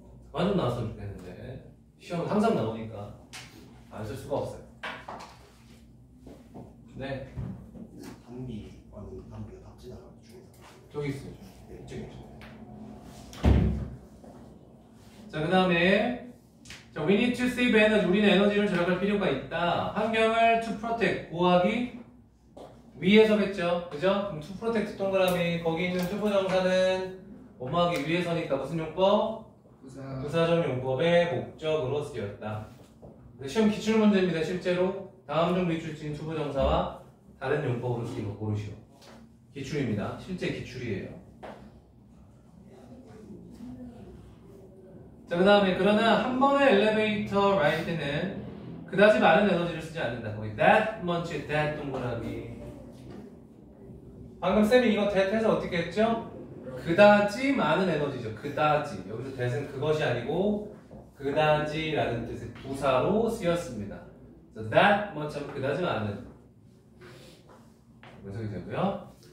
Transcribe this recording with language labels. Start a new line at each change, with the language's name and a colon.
Korean: 그만 좀 나왔으면 좋겠는데 시험 항상 나오니까 안 쓸 수가 없어요. 네. 단비 아니 단비가 답지 나가지고 저기 있어요. 네, 저기 있어요. 자, 그 다음에 자
English: We need to save energy.
Korean: 우리는 에너지를 절약할 필요가 있다. 환경을 to protect, 보호하기 위해서겠죠. 그죠? 그럼 to protect 동그라미 거기 있는 to 부정사는 뭐하기 위해서니까 무슨 용법? 부사적 용법의 목적으로 쓰였다. 시험 기출 문제입니다. 실제로 다음 중 리출진 to 부정사와 다른 용법으로 쓰인 거 고르시오. 기출입니다. 실제 기출이에요. 자, 그 다음에 그러나 한 번의 엘리베이터 라이드는 그다지 많은 에너지를 쓰지 않는다. 거기 that much, that 동그라미. 방금 쌤이 이거 that 해서 어떻게 했죠? 그다지 많은 에너지죠. 그다지. 여기서 that은 그것이 아니고 그다지라는 뜻의 부사로 쓰였습니다. 그래서 that much 하면 그다지 많은. 완성이 되고요.